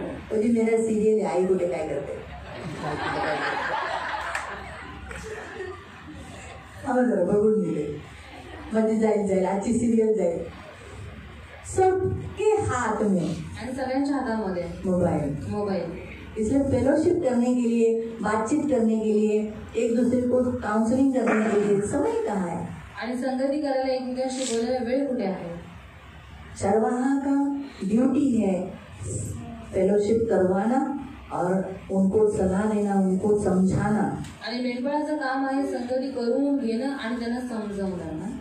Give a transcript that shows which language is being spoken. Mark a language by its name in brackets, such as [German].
[Marathi] तुझी मेरा सीरियल आई बोले काय करते. हा जरा बघून दिले, मध्ये जाईल जाईल, आजची सिरियल जाईल. [Hindi] सबके हाथ में, [Marathi] आणि सगळ्यांच्या हातामध्ये मोबाईल. [Hindi] इसलिए फेलोशिप करने के लिए, बातचीत करने के लिए, एक दूसरे को काउंसलिंग करने के लिए समय कहाँ है? [Marathi] आणि संगती करायला, एकमेकांशी बोलायला वेळ कुठे आहे? [Hindi] चरवाहा का ड्यूटी है फेलोशिप करवाना और उनको सलाह देना, उनको समझाना. [Marathi] आणि मेंढपाळाचं काम आहे संगती करून घेणं आणि त्यांना समजावणं.